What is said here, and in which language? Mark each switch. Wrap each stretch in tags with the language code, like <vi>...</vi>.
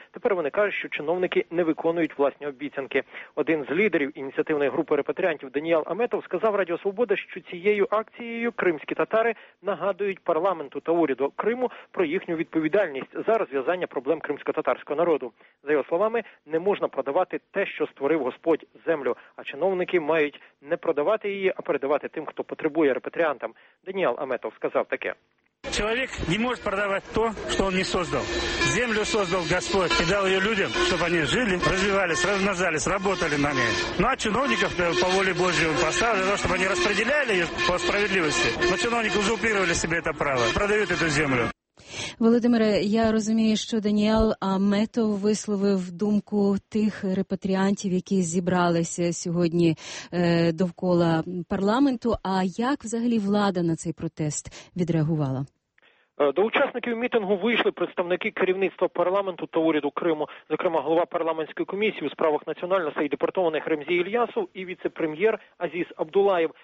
<uk>Тепер вони кажуть, що чиновники не виконують власні обіцянки. Один з лідерів ініціативної групи репатріантів Даніел Аметов сказав Радіо Свобода, що цією акцією кримські татари нагадують парламенту та уряду Криму про їхню відповідальність за розв'язання проблем кримсько-татарського народу. За його словами, не можна продавати те, що створив Господь, землю, а чиновники мають не продавати її, а передавати тим, хто потребує, репатріантам. Даніел Аметов сказав таке.</uk> <ru>Человек не может продавать то, что он не создал. Землю создал Господь и дал ее людям, чтобы они жили, развивались, размножались, работали на ней. Ну а чиновников по воле Божьей он поставил для того, чтобы они распределяли ее по справедливости. Но чиновники узурпировали себе это право, продают эту землю.</ru> <uk>Володимире, я розумію, що Даніел Аметов висловив думку тих репатріантів, які зібралися сьогодні довкола парламенту. А як взагалі влада на цей протест відреагувала? До учасників мітингу вийшли представники керівництва парламенту та уряду Криму, зокрема голова парламентської комісії у справах національностей і депортованих Ремзі Ільясов і віце-прем'єр Азіз Абдулаєв.</uk>